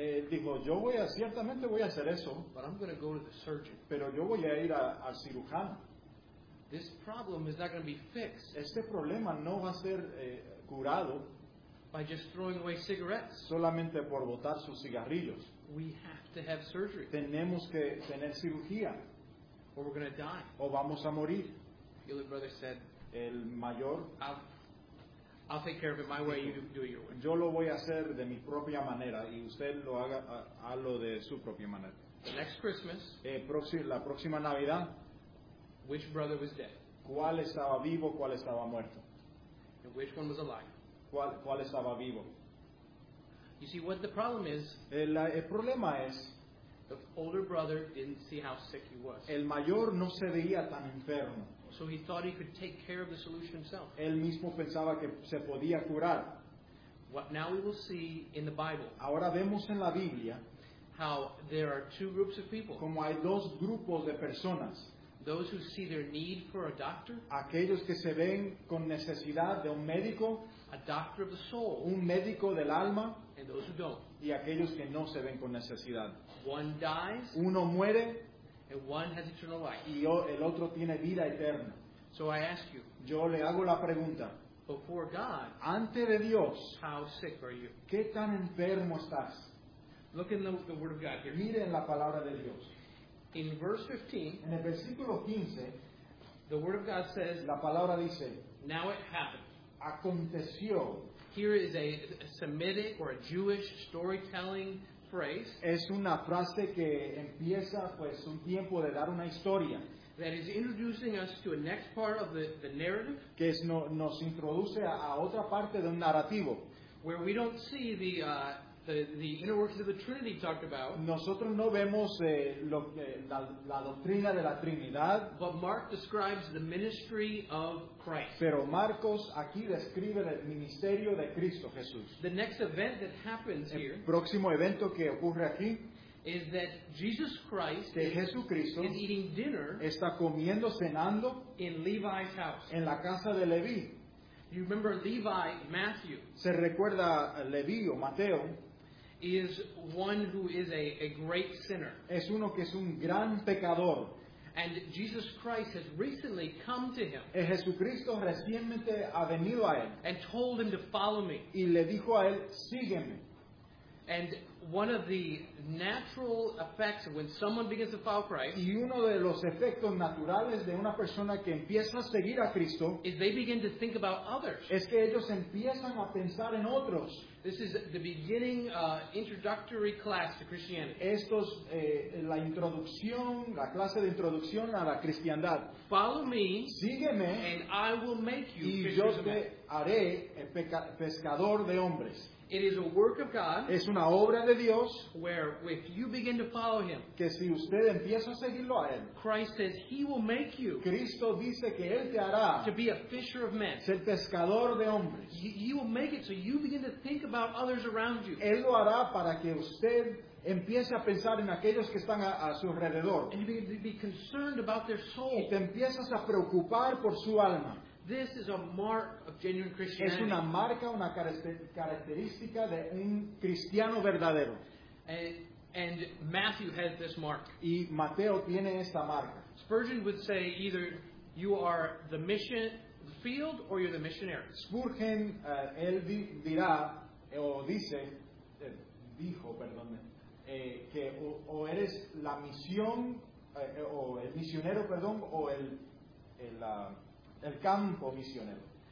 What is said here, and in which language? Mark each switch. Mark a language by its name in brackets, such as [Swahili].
[Spanish] Dijo, yo voy a, ciertamente voy a hacer eso. [English] But I'm going to go to the surgeon. [Spanish] Pero yo voy a ir al cirujano. [English] This problem is not going to be fixed. [Spanish] Este problema no va a ser curado. [English] By just throwing away cigarettes. [Spanish] Solamente por botar sus cigarrillos. [English] We have to have surgery. [Spanish] Tenemos que tener cirugía. [English] Or we're going to die. [Spanish] O vamos a morir. [English] The older brother said, [Spanish] el mayor, [English] I'll take care of it my way, you do it your way. [Spanish] Yo lo voy a hacer de mi propia manera y usted lo haga a lo de su propia manera. [English] The next Christmas, [Spanish] la próxima Navidad, [English] which brother was dead? [Spanish] ¿Cuál estaba vivo, cuál estaba muerto? [English] And which one was alive? [Spanish] ¿Cuál estaba vivo? [English] You see what the problem is? [Spanish] El problema es, [English] the older brother didn't see how sick he was. [Spanish] El mayor no se veía tan enfermo. [English] So he thought he could take care of the solution himself. [Spanish] Él mismo pensaba que se podía curar. [English] What now we will see in the Bible. [Spanish] Ahora vemos en la Biblia [English] how there are two groups of people. [Spanish] Como hay dos grupos de personas. [English] Those who see their need for a doctor. [Spanish] Aquellos que se ven con necesidad de un médico. [English] A doctor of the soul. [Spanish] Un médico del alma. [English] And those who don't. [Spanish] Y aquellos que no se ven con necesidad. [English] One dies. [Spanish] Uno muere. [English] And one has eternal life. [Spanish] Y el otro tiene vida eterna. [English] So I ask you. [Spanish] Yo le hago la pregunta. [English] Before God. [Spanish] Ante de Dios. [English] How sick are you? [Spanish] ¿Qué tan enfermo estás? [English] Look in the Word of God here. [Spanish] Mire en la palabra de Dios. [English] In verse 15, [Spanish] en el versículo 15, [English] the Word of God says, [Spanish] la palabra dice, [English] now it happened. [Spanish] Aconteció. [English] Here is a Semitic or a Jewish storytelling phrase. [Spanish] Es una frase que empieza, pues, un tiempo de dar una historia. [English] That is introducing us to a next part of the narrative. [Spanish] Que es, no, nos introduce a otra parte de un narrativo. [English] Where we don't see the inner workings of the Trinity talked about. [Spanish] Nosotros no vemos la doctrina de la Trinidad. [English] But Mark describes the ministry of Christ. [Spanish] Pero Marcos aquí describe el ministerio de Cristo Jesús. [English] The next event that happens [Spanish] el [English] here. [Spanish] El próximo evento que ocurre aquí. [English] Is that Jesus Christ [Spanish] que Jesucristo [English] is eating dinner. [Spanish] Está comiendo, cenando. [English] In Levi's house. [Spanish] En la casa de Leví. [English] You remember Levi, Matthew. [Spanish] Se recuerda Leví o Mateo. [English] Is one who is a great sinner. [Spanish] Es uno que es un gran pecador. [English] And Jesus Christ has recently come to him. [Spanish] El Jesucristo recientemente ha venido a él. [English] And told him to follow me. [Spanish] Y le dijo a él, sígueme. [English] And one of the natural effects of when someone begins to follow Christ. [Spanish] Y uno de los efectos naturales de una persona que empieza a seguir a Cristo. [English] Is they begin to think about others. [Spanish] Es que ellos empiezan a pensar en otros. [English] This is the beginning introductory class to Christianity. [Spanish] Esto es la introducción, la clase de introducción a la cristiandad. [English] Follow me. [Spanish] Sígueme. [English] And I will make you. [Spanish] Y yo te haré pescador de hombres. [English] It is a work of God. [Spanish] Es una obra de Dios. [English] Where if you begin to follow him. [Spanish] Que si usted empieza a seguirlo a él. [English] Christ says he will make you. [Spanish] Cristo dice que él te hará. [English] To be a fisher of men. [Spanish] Ser pescador de hombres. [English] He will make it so you begin to think about others around you. [Spanish] Él lo hará para que usted empiece a pensar en aquellos que están a su alrededor. [English] And you begin to be concerned about their soul. [Spanish] Y te empiezas a preocupar por su alma. [English] This is a mark of genuine Christianity. [Spanish] Es una marca, una característica de un cristiano verdadero. [English] And Matthew has this mark. [Spanish] Y Mateo tiene esta marca. [English] Spurgeon would say either you are the mission field or you're the missionary. [Spanish] Spurgeon, él dirá, o dice, dijo, perdón, que o eres la misión, o el misionero, perdón, o el campo misionero.